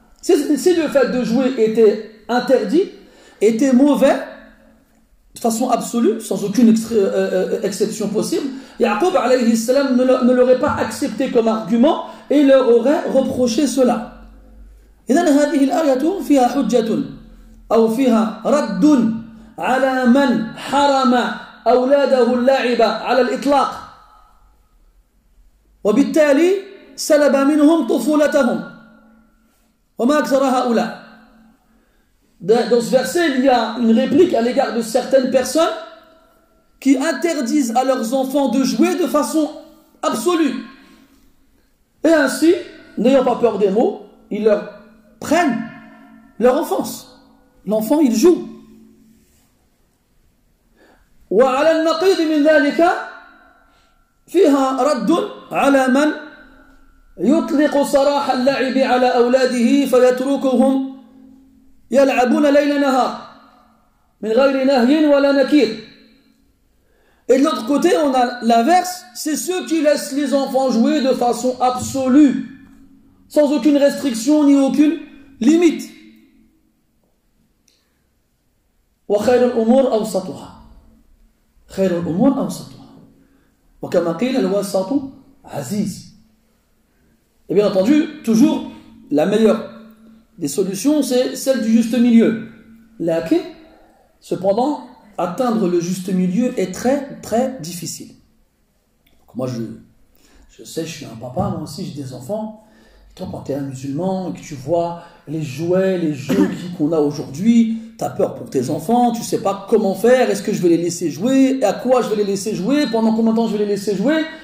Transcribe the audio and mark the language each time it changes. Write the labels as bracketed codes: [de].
[fr] Si le fait de jouer était interdit, était mauvais de façon absolue, sans aucune exception possible, Yaqub alayhi salam ne l'aurait pas accepté comme argument et leur aurait reproché cela. [ar] إذن هذه الآية فيها حجة أو فيها رد على من حرم أولاده اللعب على الإطلاق وبالتالي سلب منهم طفولتهم وما أكثر هؤلاء. [fr] Dans ce verset, il y a une réplique à l'égard de certaines personnes qui interdisent à leurs enfants de jouer de façon absolue. Et ainsi, n'ayant pas peur des mots, ils leur prennent leur enfance. L'enfant, il joue. [ar] وعلى النقيض من ذلك فيها رد على من يطلق صراح اللعب على أولاده فيتركهم يلعبون ليل نهار من غير نهي ولا نكير. [fr] Et de l'autre côté, on a l'inverse, c'est ceux qui laissent les enfants jouer de façon absolue, sans aucune restriction ni aucune limite. [ar] وخير الأمور أوسطها. خير الأمور أوسطها وكما قيل الوسط عزيز. Et bien entendu, toujours la meilleure [fr] des solutions, c'est celle du juste milieu. Lakin, cependant, atteindre le juste milieu est très, très difficile. Donc moi, je sais, je suis un papa, moi aussi, j'ai des enfants. Et toi, quand tu es un musulman et que tu vois les jouets, les jeux qu'on a aujourd'hui, tu as peur pour tes enfants, tu ne sais pas comment faire, est-ce que je vais les laisser jouer, et à quoi je vais les laisser jouer, pendant combien de temps je vais les laisser jouer.